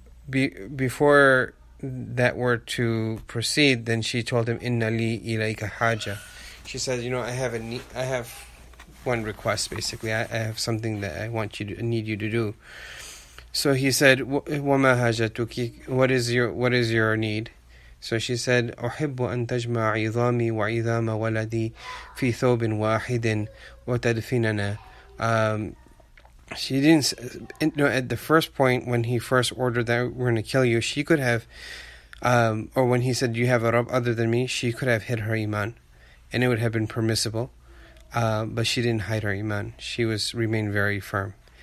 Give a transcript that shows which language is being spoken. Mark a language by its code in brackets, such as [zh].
[en] Before that were to proceed, then she told him, [ar] "Inna li ilayka haja." [en] She said, "You know, I have one request. Basically, I have something that I want you to need you to do." So he said, [ar] "Wama hajatuki? [en] What is your need?" So she said, [ar] "أحبّ أن تجمع عظامي وعظام ولدي في ثوب واحد وتدفننا." [en] She didn't. No, at the first point when he first ordered that we're gonna kill you, she could have, or when he said, "You have a Rabb other than me," she could have hid her iman, and it would have been permissible. But she didn't hide her iman. She was remained very firm.